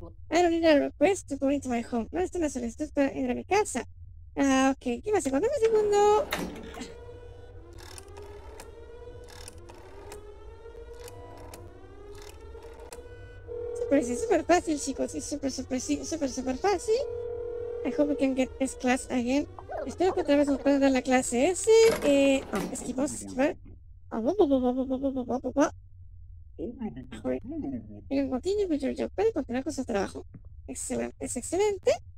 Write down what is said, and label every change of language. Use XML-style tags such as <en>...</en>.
<en>I don't need a request to go into my home.</en> <es>No, esto es una solicitud para ir a mi casa. Ok. Dime un segundo, dime un segundo. Super, sí, super fácil, chicos. Es super, super, sí, super, super fácil.</es> <en>I hope we can get this class again.</en> <es>Espero que otra vez nos puedan dar la clase S. Esquivamos, esquivamos. Ahora, en continuo con</es> <en>your job,</en> <es>puede continuar con su trabajo. Excelente, es excelente.</es>